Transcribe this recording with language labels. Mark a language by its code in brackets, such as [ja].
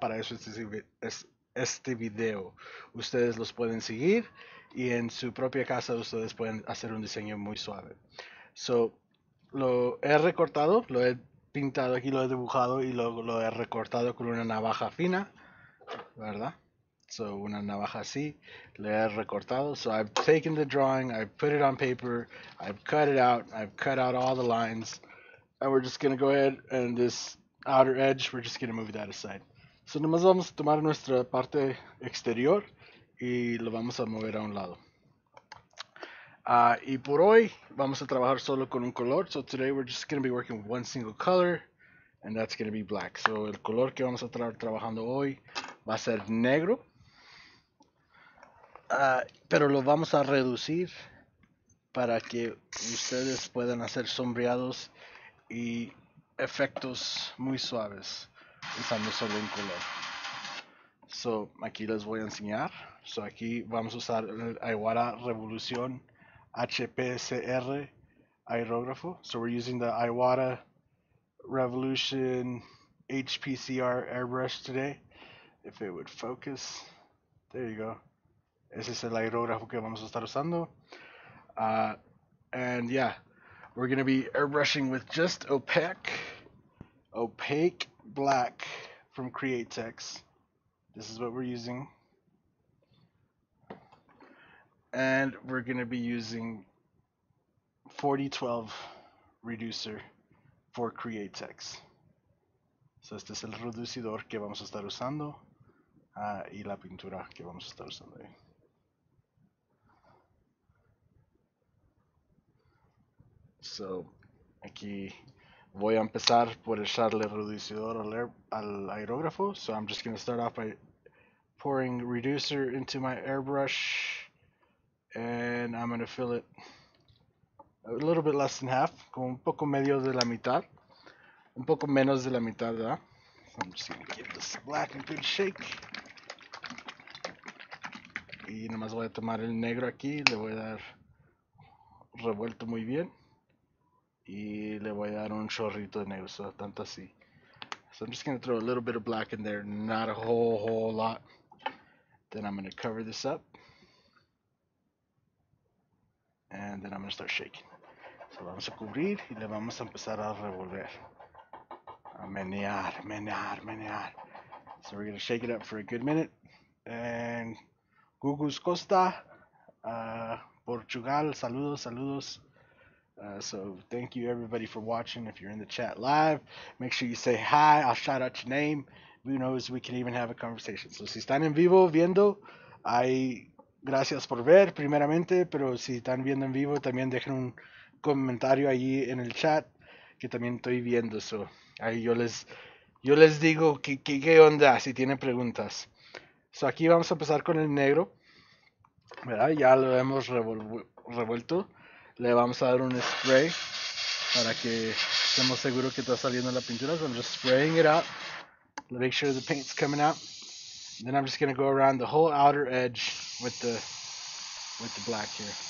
[es] Para eso este video, ustedes los pueden seguir y en su propia casa ustedes pueden hacer un diseño muy suave. So, lo he recortado, lo he pintado aquí, lo he dibujado y luego lo he recortado con una navaja fina, ¿verdad? So, una navaja así, le he recortado. [en] So, I've taken the drawing, I've put it on paper, I've cut out all the lines, and we're just going to go ahead and this outer edge, we're just going to move that aside. [es] So, nomás vamos a tomar nuestra parte exterior y lo vamos a mover a un lado. Y por hoy, vamos a trabajar solo con un color. [en] So, today we're just going to be working with one single color, and that's going to be black. [es] So, el color que vamos a estar trabajando hoy va a ser negro. Pero lo vamos a reducir para que ustedes puedan hacer sombreados y efectos muy suaves. Usando solo un color. So, aquí les voy a enseñar. So, aquí vamos a usar el Aiwara Revolución HPCR aerógrafo. [en] So, we're using the Aiwara Revolution HPCR airbrush today. If it would focus. There you go. [es] Ese es el aerógrafo que vamos a estar usando. [en] And yeah, we're going to be airbrushing with just opaque black from Createx. This is what we're using, and we're going to be using 4012 reducer for Createx. [es] So este es el reducidor que vamos a estar usando y la pintura que vamos a estar usando ahí. So aquí voy a empezar por echarle reducidor al aerógrafo. [en] So I'm just going to start off by pouring reducer into my airbrush. And I'm going to fill it a little bit less than half. [es] Como un poco medio de la mitad. Un poco menos de la mitad, ¿verdad? [en] So I'm just going to give this black a good shake. [es] Y nomás voy a tomar el negro aquí. Le voy a dar revuelto muy bien. Y le voy a dar un chorrito de negro, so tanto así. [en] So I'm just going to throw a little bit of black in there, not a whole lot. Then I'm going to cover this up. And then I'm going to start shaking. [es] So vamos a cubrir y le vamos a empezar a revolver. A menear, menear, menear. [en] So we're going to shake it up for a good minute. [es] And Gugus Costa, Portugal, saludos, saludos. [en] So thank you everybody for watching. If you're in the chat live, make sure you say hi. I'll shout out your name. Who knows, we can even have a conversation. [es] So si están en vivo viendo, hay gracias por ver primeramente, pero si están viendo en vivo, también dejen un comentario ahí en el chat que también estoy viendo. So ahí yo les digo qué onda si tienen preguntas. So aquí vamos a empezar con el negro, ¿verdad? Ya lo hemos revuelto. Le vamos a dar un spray para que estemos seguros que está saliendo la pintura. [en] So I'm just spraying it out. Make sure the paint's coming out. And then I'm just going to go around the whole outer edge with the black here.